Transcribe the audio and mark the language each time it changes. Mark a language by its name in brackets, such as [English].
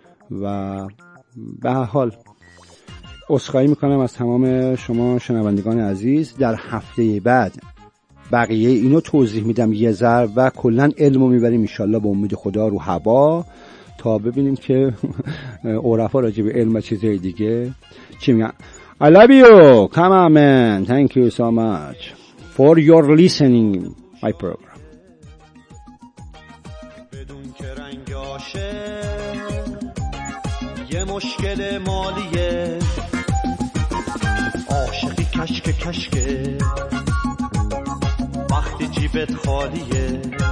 [Persian] و به هر حال عذرخواهی میکنم از تمام شما شنوندگان عزیز. در هفته بعد بقیه اینو توضیح میدم یه ذره و کلن علمو میبریم انشالله با امید خدا رو هوا، تا ببینیم که عرفا راجب علم و چیزهای دیگه چی میگن. [English] I love you, come on man, thank you so much for your listening my program. [Persian] بدون که رنگ عاشق یه مشکل مالیه، عاشقی کشکه کشکه وقتی جیبت خالیه.